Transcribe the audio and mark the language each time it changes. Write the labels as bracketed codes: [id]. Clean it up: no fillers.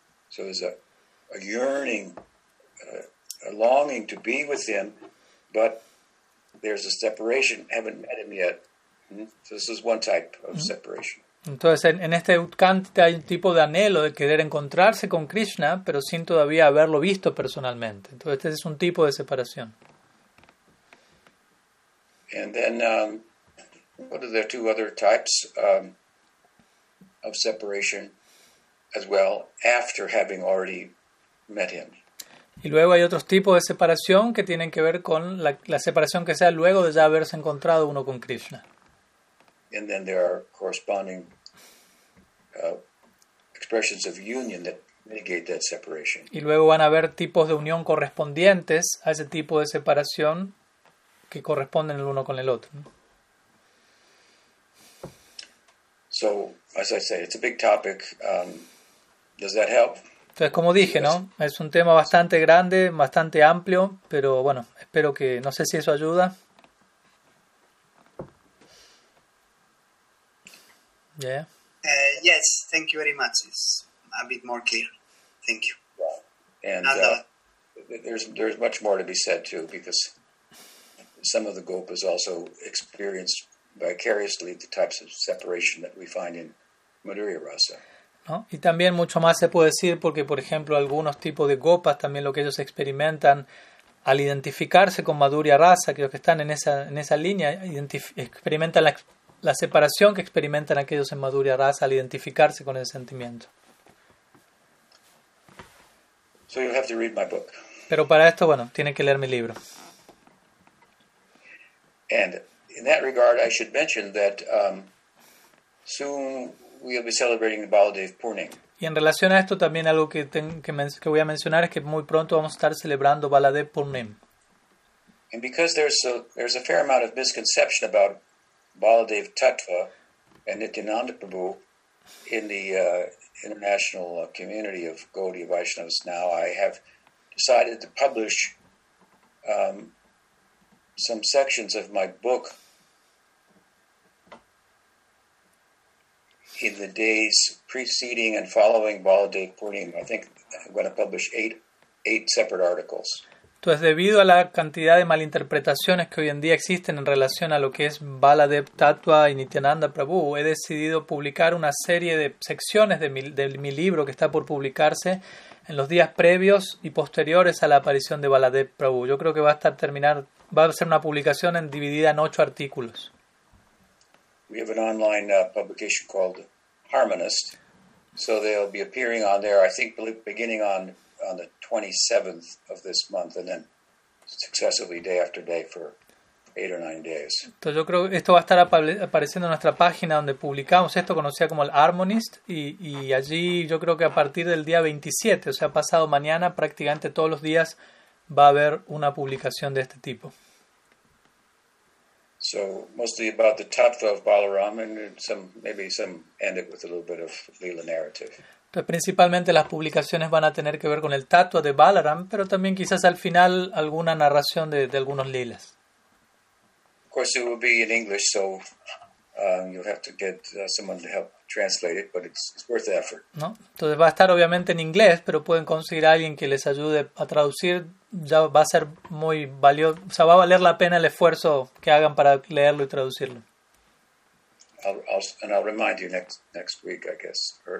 [en] So there's a yearning, a longing to be with him, but there's a separation. Haven't met him yet. So this is one type of separation. [es] Entonces, en este utkantita hay un tipo de anhelo de querer encontrarse con Krishna, pero sin todavía haberlo visto personalmente. Entonces, este es un tipo de separación. [en] And then, what are the two other types of separation as well after having already met him? [es] Y luego hay otros tipos de separación que tienen que ver con la separación que sea luego de ya haberse encontrado uno con Krishna. [en] And then there are corresponding expressions of union that mitigate that separation. [es] Y luego van a haber tipos de unión correspondientes a ese tipo de separación que corresponden el uno con el otro. [en] So, as I say, it's a big topic. Does that help? [es] Entonces, como dije, ¿no? Es un tema bastante grande, bastante amplio, pero bueno, espero que, no sé si eso ayuda. [en] Yeah. Yes, thank you very much. It's a bit more clear. Thank you. Yeah. And there's much more to be said too, because some of the gopas also experienced vicariously the types of separation that we find in Madhurya Rasa. [es] ¿No? Y también mucho más se puede decir porque, por ejemplo, algunos tipos de gopas también lo que ellos experimentan al identificarse con Madhurya Rasa, que los que están en esa línea experimentan la separación que experimentan aquellos en Madhurya Rasa al identificarse con ese sentimiento. [en] So you have to read my book. [es] Pero para esto, bueno, tiene que leer mi libro. [en] And in that regard, I should mention that soon we'll be celebrating the Baladev Purnim. [es] Y en relación a esto, también algo que voy a mencionar es que muy pronto vamos a estar celebrando Baladev Purnim. [en] And because there's a fair amount of misconception about Baladev Tattva and Nityananda Prabhu in the international community of Gaudiya Vaishnavas now, I have decided to publish some sections of my book in the days preceding and following Baladev Purnim. I think I'm going to publish eight separate articles. [es] Entonces, debido a la cantidad de malinterpretaciones que hoy en día existen en relación a lo que es Baladev Tattva y Nityananda Prabhu, he decidido publicar una serie de secciones de mi libro que está por publicarse en los días previos y posteriores a la aparición de Baladev Prabhu. Yo creo que va a ser una publicación dividida en 8 artículos. [en] We have an online publication called Harmonist, so they'll be appearing on there, I think, beginning on the 27th of this month, and then successively day after day for 8 or 9 days. [es] Entonces yo creo que esto va a estar apareciendo en nuestra página donde publicamos esto, conocida como el Harmonist, y allí yo creo que a partir del día 27, o sea, pasado mañana, prácticamente todos los días va a haber una publicación de este tipo. [en] So mostly about the tattva of Balaram, and maybe end it with a little bit of Leela narrative. [es] Entonces, principalmente las publicaciones van a tener que ver con el tatua de Balaram, pero también quizás al final alguna narración de algunos lilas. [en] Of course, it will be in English, so you'll have to get someone to help translate it, but it's worth the effort. [es] ¿No? Entonces, va a estar obviamente en inglés, pero pueden conseguir a alguien que les ayude a traducir. Ya va a ser muy valioso, o sea, va a valer la pena el esfuerzo que hagan para leerlo y traducirlo. [en] And I'll remind you next week, I guess.